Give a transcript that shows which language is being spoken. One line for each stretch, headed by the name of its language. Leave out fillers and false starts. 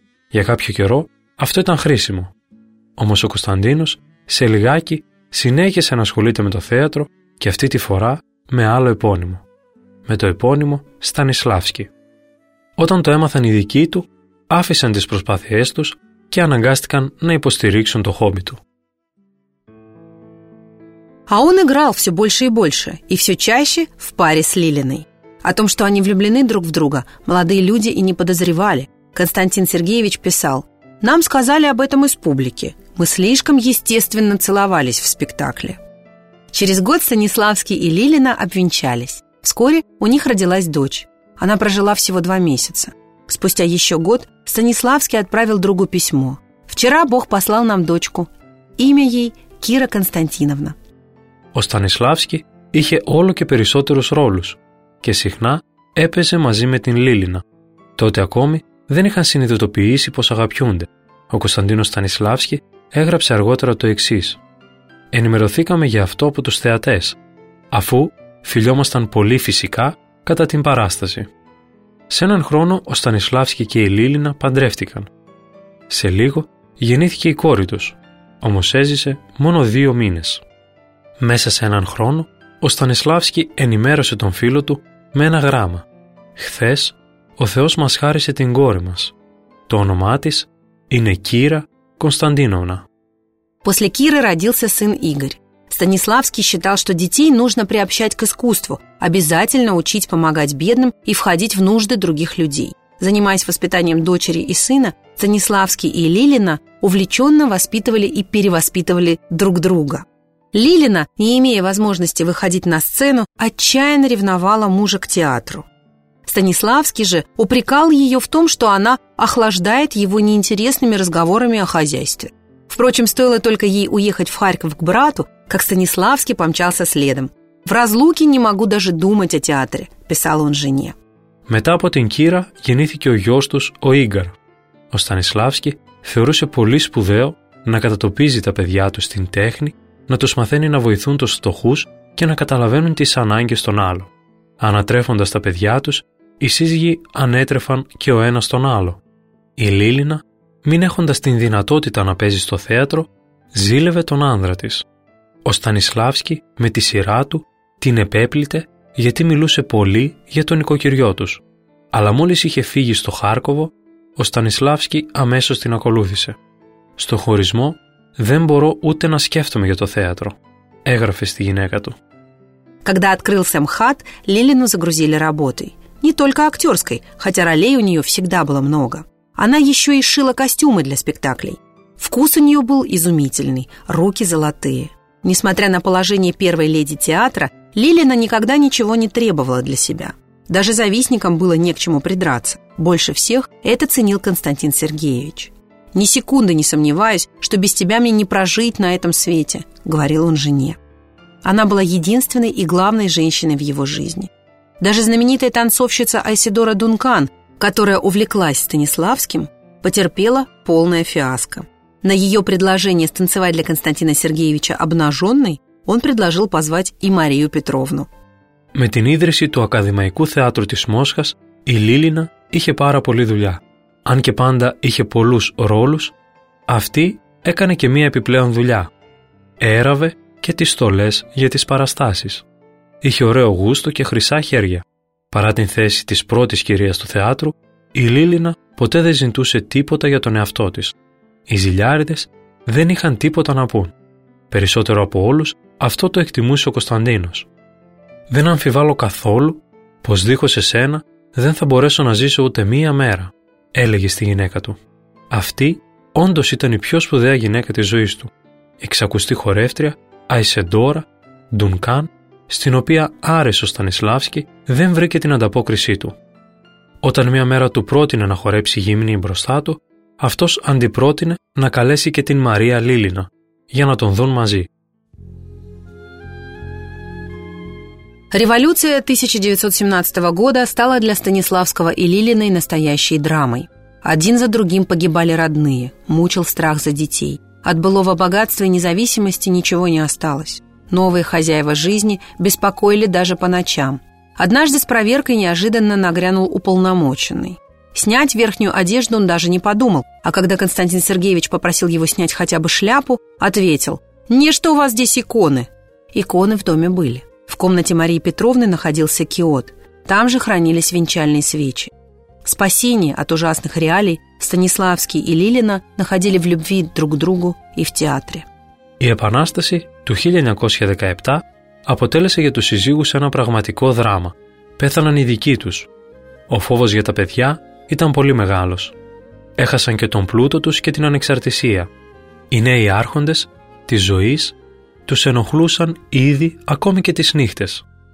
Greek: Για κάποιο καιρό αυτό ήταν χρήσιμο. Όμως ο Κωνσταντίνος, σε λιγάκι, συνέχισε να ασχολείται με το θέατρο και αυτή τη φορά με άλλο επώνυμο. Με το επώνυμο Στανισλάφσκι. Όταν το έμαθαν οι δικοί του, άφησαν τις προσπάθειές τους και αναγκάστηκαν να υποστηρίξουν το χόμπι του.
Russian: А он играл все больше и больше, и все чаще в паре с Лилиной. О том, что они влюблены друг в друга, молодые люди и не подозревали. Константин Сергеевич писал: «Нам сказали об этом из публики. Мы слишком естественно целовались в спектакле». Через год Станиславский и Лилина обвенчались. Вскоре у них родилась дочь. Она прожила всего 2 месяца. Спустя еще год Станиславский отправил другу письмо. «Вчера Бог послал нам дочку. Имя ей Кира Константиновна».
Greek: Ο Στανισλάφσκι είχε όλο και περισσότερους ρόλους και συχνά έπαιζε μαζί με την Λίλινα. Τότε ακόμη δεν είχαν συνειδητοποιήσει πως αγαπιούνται. Ο Κωνσταντίνος Στανισλάφσκι έγραψε αργότερα το εξής: «Ενημερωθήκαμε για αυτό από τους θεατές, αφού φιλιόμασταν πολύ φυσικά κατά την παράσταση». Σε έναν χρόνο ο Στανισλάφσκι και η Λίλινα παντρεύτηκαν. Σε λίγο γεννήθηκε η κόρη τους, όμως έζησε μόνο 2 μήνες. Μέσα σε έναν χρόνο, ο Στανισλάφσκι ενημέρωσε τον φίλο του με ένα γράμμα. «Χθες, ο Θεός μας χάρισε την κόρη μας. Το όνομά της είναι Κύρα Κωνσταντίνοβνα».
Russian: После Киры родился сын Игорь. Станиславский считал, что детей нужно приобщать к искусству, обязательно учить помогать бедным и входить в нужды других людей. Занимаясь воспитанием дочери и сына, Станиславский и Лилина увлеченно воспитывали и перевоспитывали друг друга. Лилина, не имея возможности выходить на сцену, отчаянно ревновала мужа к театру. Станиславский же упрекал ее в том, что она охлаждает его неинтересными разговорами о хозяйстве. Впрочем, стоило только ей уехать в Харьков к брату, как Станиславский помчался следом. «В разлуке не могу даже думать о театре», – писал он жене.
Greek: Мета по тен Кира генитике о гёс тус о Игар. О Станиславский феорусе поли спудео на кататопизи та педя ту стин техни, να τους μαθαίνει να βοηθούν τους φτωχούς και να καταλαβαίνουν τις ανάγκες των άλλων. Ανατρέφοντας τα παιδιά τους, οι σύζυγοι ανέτρεφαν και ο ένας τον άλλο. Η Λίλινα, μην έχοντας την δυνατότητα να παίζει στο θέατρο, ζήλευε τον άνδρα της. Ο Στανισλάφσκι με τη σειρά του την επέπλητε γιατί μιλούσε πολύ για τον οικοκυριό τους. Αλλά μόλις είχε φύγει στο Χάρκοβο, ο Στανισλάφσκι αμέσως την ακολούθησε. Στο χωρισμό, «Δεν μπορώ ούτε να σκέφτομαι για το θέατρο», έγραφε στη γυναίκα του.
Russian: Когда открылся МХАТ, Лилину загрузили работой. Не только актерской, хотя ролей у нее всегда было много. Она еще и шила костюмы для спектаклей. Вкус у нее был изумительный, руки золотые. Несмотря на положение первой леди театра, Лилина никогда ничего не требовала для себя. Даже завистникам было не к чему придраться. Больше всех это ценил Константин Сергеевич. «Ни секунды не сомневаюсь, что без тебя мне не прожить на этом свете», — говорил он жене. Она была единственной и главной женщиной в его жизни. Даже знаменитая танцовщица Айседора Дункан, которая увлеклась Станиславским, потерпела полное фиаско. На ее предложение станцевать для Константина Сергеевича обнаженной он предложил позвать и Марию Петровну.
Greek: Με την ίδρυση του Ακαδημαϊκού Θεάτρου της Μόσχας, η Λίλινα είχε πάρα πολύ δουλειά. Αν και πάντα είχε πολλούς ρόλους, αυτή έκανε και μία επιπλέον δουλειά. Έραβε και τις στολές για τις παραστάσεις. Είχε ωραίο γούστο και χρυσά χέρια. Παρά την θέση της πρώτης κυρίας του θεάτρου, η Λίλινα ποτέ δεν ζητούσε τίποτα για τον εαυτό της. Οι ζηλιάριδες δεν είχαν τίποτα να πούν. Περισσότερο από όλους, αυτό το εκτιμούσε ο Κωνσταντίνος. «Δεν αμφιβάλλω καθόλου πως δίχως εσένα δεν θα μπορέσω να ζήσω ούτε μία μέρα», έλεγε στη γυναίκα του. Αυτή όντως ήταν η πιο σπουδαία γυναίκα της ζωής του. Εξακουστή χορεύτρια, Αϊσεντόρα, Ντουνκάν, στην οποία άρεσε ο Στανισλάφσκι, δεν βρήκε την ανταπόκρισή του. Όταν μία μέρα του πρότεινε να χορέψει γύμνη μπροστά του, αυτός αντιπρότεινε να καλέσει και την Μαρία Λίλινα για να τον δουν μαζί.
Russian: Революция 1917 года стала для Станиславского и Лилиной настоящей драмой. Один за другим погибали родные, мучил страх за детей. От былого богатства и независимости ничего не осталось. Новые хозяева жизни беспокоили даже по ночам. Однажды с проверкой неожиданно нагрянул уполномоченный. Снять верхнюю одежду он даже не подумал, а когда Константин Сергеевич попросил его снять хотя бы шляпу, ответил: «Нечто у вас здесь иконы». Иконы в доме были. В комнате Марии Петровны находился киот. Там же хранились венчальные свечи. Спасение от ужасных реалий Станиславский и Лилина находили в любви друг к другу и в театре.
Greek: Η Επανάσταση του 1917 αποτέλεσε για τους συζύγους ένα πραγματικό δράμα. Πέθαναν οι δικοί τους. Ο φόβος για τα παιδιά ήταν πολύ μεγάλος. Έχασαν και τον πλούτο τους και την ανεξαρτησία. Οι νέοι άρχοντες της ζωής τους ενοχλούσαν ήδη ακόμη και τις νύχτες.